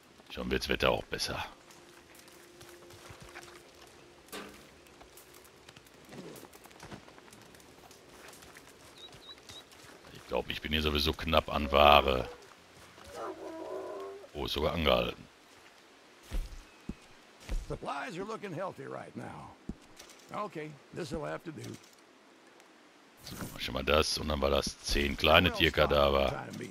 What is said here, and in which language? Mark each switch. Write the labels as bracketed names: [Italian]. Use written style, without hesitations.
[German] Schon wird das Wetter auch besser. Ich glaube, ich bin hier sowieso knapp an Ware. Oh, ist sogar angehalten. [English] Supplies are looking healthy right now. Okay, this will have to do. [German] Schon mal das und dann war das 10 kleine Tierkadaver.